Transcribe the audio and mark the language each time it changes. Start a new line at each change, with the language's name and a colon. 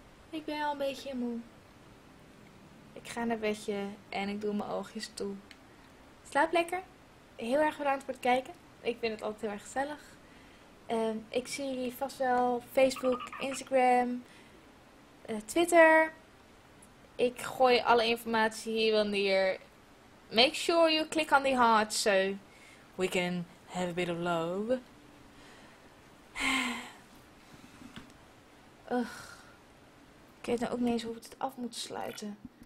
Dutch: Ik ben al een beetje moe. Ik ga naar bedje en ik doe mijn oogjes toe. Slaap lekker. Heel erg bedankt voor het kijken. Ik vind het altijd heel erg gezellig. Ik zie jullie vast wel Facebook, Instagram, Twitter. Ik gooi alle informatie hier wel neer.
English: Make sure you click on the heart so we can have a bit of love. Ugh.
Dutch: Ik weet nou ook niet eens hoe we het af moeten sluiten.